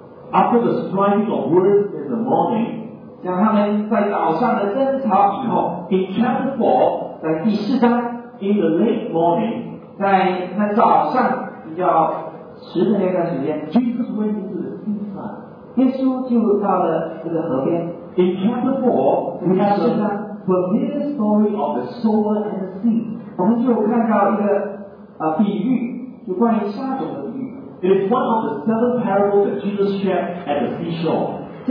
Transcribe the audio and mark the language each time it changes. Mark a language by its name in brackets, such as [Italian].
[English] After the striving of words in the morning, [Chinese] 讲他们在早上的争吵以后, [English] in chapter 4, [Chinese] 在第四章, [English] in the late morning, [Chinese] 在那早上比较迟的那段时间, [English] Jesus went into the seaside. [Chinese] 耶稣进入到了这个河边。 [English] In chapter 4, we have the familiar story of the sower and the seed. [Chinese] 我们就看到一个比喻，就关于撒种的。 [English] It is one of the seven parables that Jesus shared at the seashore.